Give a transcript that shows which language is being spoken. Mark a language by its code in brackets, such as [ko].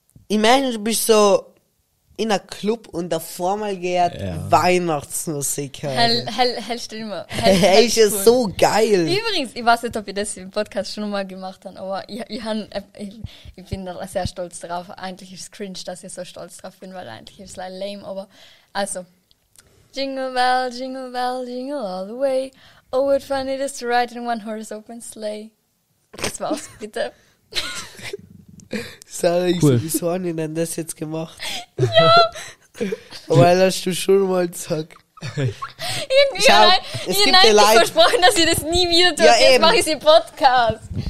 [de] Ich meine, du bist so in einem Club und der Formel geht Weihnachtsmusik. Hell, ist so geil. Übrigens, ich weiß nicht, ob ich das im Podcast schon mal gemacht habe, aber ich bin da sehr stolz drauf. Eigentlich ist es cringe, dass ich so stolz drauf bin, weil eigentlich ist es lame, aber. [en] Also. Jingle bell, jingle bell, jingle all the way. Oh, what fun it is to ride in one horse open sleigh. [de] Das war's, bitte. Sorry, cool. Wieso haben die denn das jetzt gemacht? Ja! Weil hast du schon mal gesagt. Ich habe versprochen, dass ich das nie wieder tue. Ja, jetzt mache ich den Podcast.